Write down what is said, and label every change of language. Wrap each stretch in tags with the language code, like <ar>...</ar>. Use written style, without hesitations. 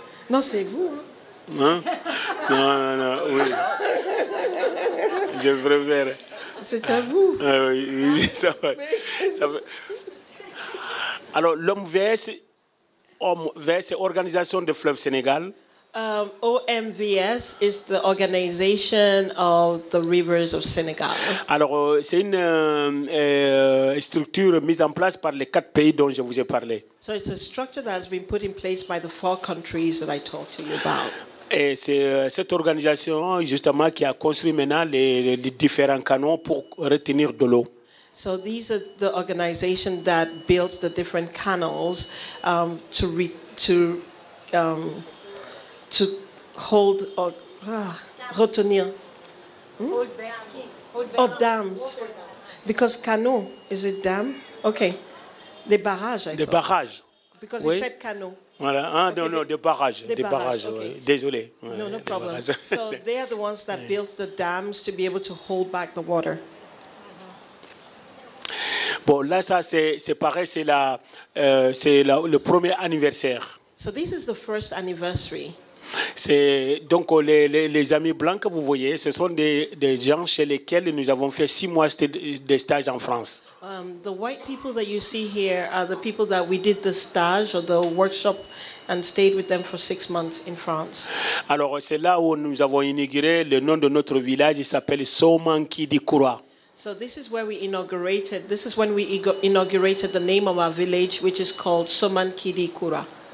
<fr>Non, c'est vous. Hein? Non, oui. Je préfère. C'est à vous. Oui, ça va. Ça va. Alors, l'homme VS, homme VS, organisation de fleuve Sénégal.</fr> <en>OMVS is the organization of the rivers of Senegal.</en> <fr>Alors, c'est une structure mise en place par les quatre pays dont je vous ai parlé.</fr> <en>So it's a structure that has been put in place by the four countries that I talked to you about.</en> <fr>Et c'est cette organisation justement qui a construit maintenant les différents canaux pour retenir de l'eau.</fr> <en>So these are the organization that builds the different canals to hold or retenir. Hold dams. Because canoe, is it dam? Okay.</en> <fr>Des barrages,</fr> <en>I thought.</en> <fr>Des barrages.</fr> <en>Because you said canoe.</en> <fr>Voilà.</fr> <en>Ah, okay. No,</en> <fr>des barrages. Des barrages, okay. Oui. Désolé.</fr> <en>No, no problem. So they are the ones that built the dams to be able to hold back the water.</en> <fr>Bon, là, ça, c'est pareil, c'est le premier anniversaire.</fr> <en>So this is the first anniversary.</en> <fr>C'est donc les amis blancs que vous voyez, ce sont des gens chez lesquels nous avons fait 6 mois de stage en France.</fr> <en>The white people that you see here are the people that we did the stage or the workshop and stayed with them for 6 months in France.</en> <fr>Alors c'est là où nous avons inauguré le nom de notre village. Il s'appelle Somankidi, Coura.</fr> <en>So this is where we inaugurated. This is when we inaugurated the name of our village, which is called Somankidi Coura.</en>